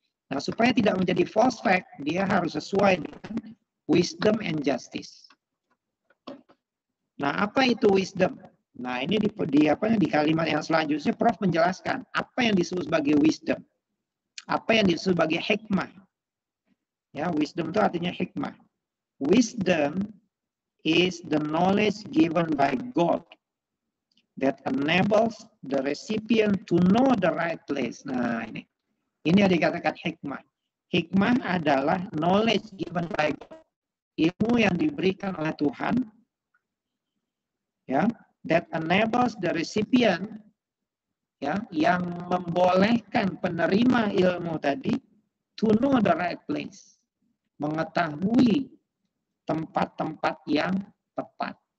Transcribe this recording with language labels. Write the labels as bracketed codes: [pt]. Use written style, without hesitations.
[id] Nah, supaya tidak menjadi false fact, dia harus sesuai dengan [en] wisdom and justice. [id] Nah, apa itu wisdom? Nah, ini di kalimat yang selanjutnya Prof menjelaskan apa yang disebut sebagai wisdom. Apa yang disebut sebagai hikmah? Ya, wisdom itu artinya hikmah. [en] Wisdom is the knowledge given by God that enables the recipient to know the right place. [id] Nah, ini yang dikatakan hikmah. Hikmah adalah [en] knowledge given by God. [id] Ilmu yang diberikan oleh Tuhan. Ya, [en] that enables the recipient, [id] ya, yang membolehkan penerima ilmu tadi [en] to know the right place, [id] mengetahui tempat-tempat yang tepat.